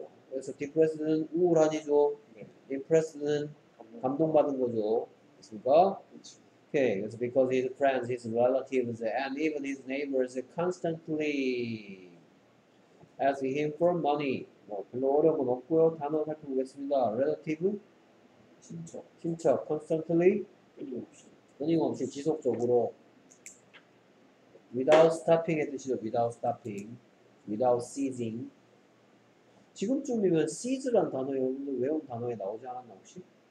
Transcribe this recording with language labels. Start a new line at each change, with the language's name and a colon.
Korean: 그래서 디프레스는 우울하니죠. 임프레스는 감동받은 거죠. 됐습니까?
English: Okay, it's because his friends, his relatives, and even his neighbors constantly ask him for money.
Korean: 뭐 별로 어려운 건 없고요. 단어 살펴보겠습니다. Relative? 친척. Constantly? 끊임없이. 지속적으로.
English: Without stopping 해주시죠. Without stopping. Without ceasing.
Korean: 지금쯤이면 cease란 단어 여러분들 외운 단어에 나오지 않았나 혹시?